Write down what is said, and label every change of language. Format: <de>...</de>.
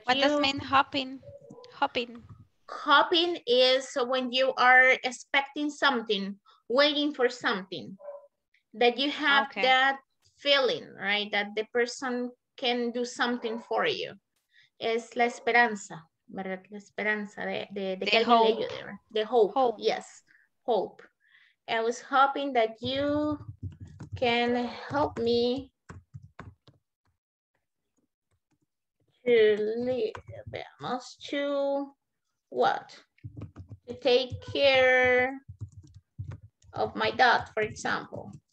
<en>what does mean hopping? Hopping. Hopping is when you are expecting something, waiting for something, that you have okay. that feeling, right? That the person can do something for you.</en> <es>Es la esperanza, ¿verdad? La esperanza de que alguien le ayude, right?</es> <en>The hope. Hope, yes. Hope. I was hoping that you can help me to leave, to what? To take care of my dog, for example.</en>